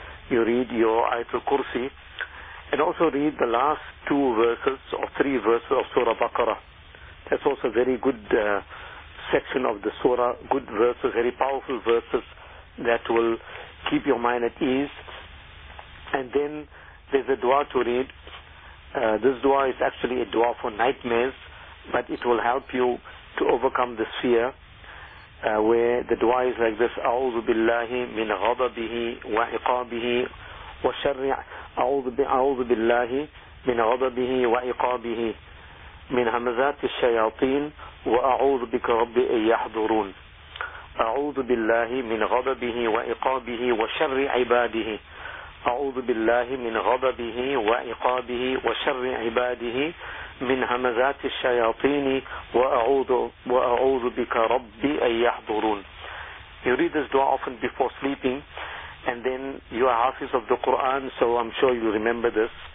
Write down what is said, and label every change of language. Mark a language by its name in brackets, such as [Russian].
[English] You read your Ayatul Kursi. And also read the last two verses or three verses of Surah Baqarah. That's also a very good section of the Surah, good verses, very powerful verses that will keep your mind at ease. And then there's a dua to read. This dua is actually a dua for nightmares, but it will help you to overcome this fear, where the dua is like this: [Arabic] أعوذ بالله من غضبه وعقابه وشر أعوذ بالله من غضبه وعقابه من همزات الشياطين وأعوذ بك رب أن يحضرون أعوذ بالله من غضبه وعقابه وشر عباده أعوذ بالله من غضبه وعقابه وشر عباده من همزات الشياطين وأعوذ بك ربي أن يحضرون. [English] You read this dua often before sleeping, and then you are Hafiz of the Quran, so I'm sure you remember this.